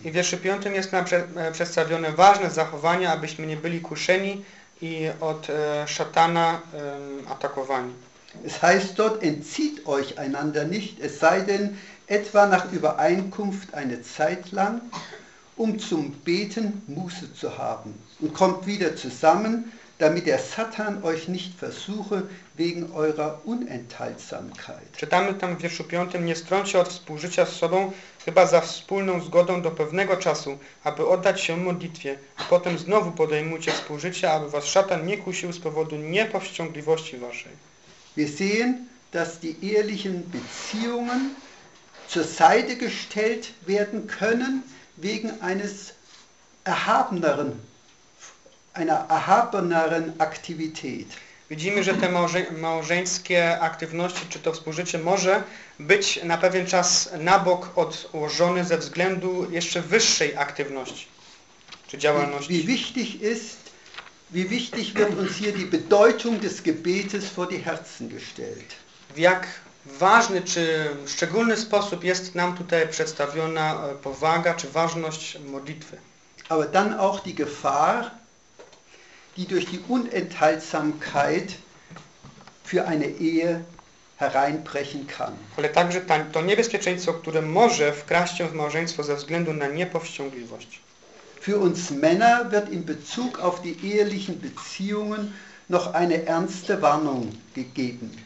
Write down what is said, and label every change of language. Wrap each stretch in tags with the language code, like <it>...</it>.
<pl>I w wierszu 5 jest nam przedstawione ważne zachowania, abyśmy nie byli kuszeni i od szatana atakowani.</pl> <de>Es heißt dort, entzieht euch einander nicht, es sei denn, etwa nach Übereinkunft eine Zeit lang, um zum Beten Muße zu haben. Und kommt wieder zusammen, damit der Satan euch nicht versuche wegen eurer Unenthaltsamkeit.</de> <pl>Czytamy tam w wierszu 5, nie strąć się od współżycia z sobą, chyba za wspólną zgodą do pewnego czasu, aby oddać się modlitwie, a potem znowu podejmujcie współżycie, aby was szatan nie kusił z powodu niepowściągliwości waszej.</pl> <de>Wir sehen, dass die ehelichen Beziehungen zur Seite gestellt werden können wegen eines erhabeneren, einer erhabeneren Aktivität.</de> <pl>Widzimy, że te małżeńskie aktywności, czy to współżycie może być na pewien czas na bok odłożone ze względu jeszcze wyższej aktywności, czy działalności.</pl> <de>Wie wichtig ist, wie wichtig wird uns hier die Bedeutung des Gebetes vor die Herzen gestellt.</de> <pl>W jak ważny, czy szczególny sposób jest nam tutaj przedstawiona powaga, czy ważność modlitwy.</pl> <de>Ale dann auch die Gefahr, die durch die Unenthaltsamkeit für eine Ehe hereinbrechen kann.</de> <pl>Ale także to niebezpieczeństwo, które może wkraść się w małżeństwo ze względu na niepowściągliwość.</pl> <de>Für uns Männer wird in Bezug auf die ehelichen Beziehungen noch eine ernste Warnung gegeben.</de>